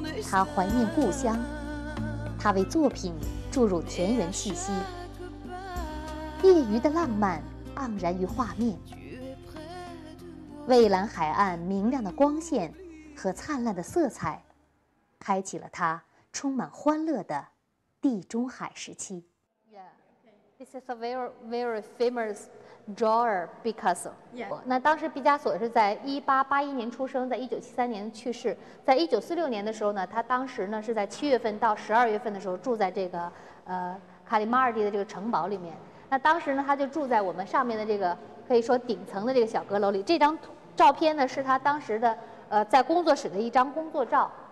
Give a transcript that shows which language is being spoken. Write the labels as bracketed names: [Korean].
[Chinese] 他怀念故乡，他为作品注入田园气息，业余的浪漫盎然于画面。蔚蓝海岸明亮的光线和灿烂的色彩，开启了他充满欢乐的地中海时期。 [English] Yeah, this is a very very famous drawer, Picasso. Yeah. [Chinese] 那当时毕加索是在1881年出生，在1973年去世。在1946年的时候呢，他当时呢是在7月份到12月份的时候住在这个卡里马尔蒂的这个城堡里面。那当时呢，他就住在我们上面的这个。可以说顶层的这个小阁楼里，这张照片呢是他当时的在工作室的一张工作照。